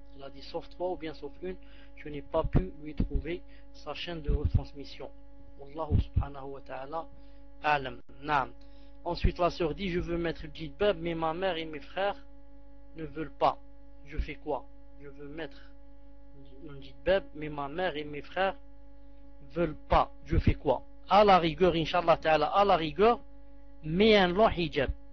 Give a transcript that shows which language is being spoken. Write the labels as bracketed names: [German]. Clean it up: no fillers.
[French] Il a dit, sauf trois ou bien sauf une, je n'ai pas pu lui trouver sa chaîne de retransmission. [Arabic] والله سبحانه وتعالى أعلم. نعم. [French] Ensuite la sœur dit, je veux mettre le jilbab mais ma mère et mes frères ne veulent pas. Je fais quoi? Je veux mettre le jilbab mais ma mère et mes frères veulent pas. Je fais quoi? À la rigueur, inshallah ta'ala, à la rigueur, mets un long hijab.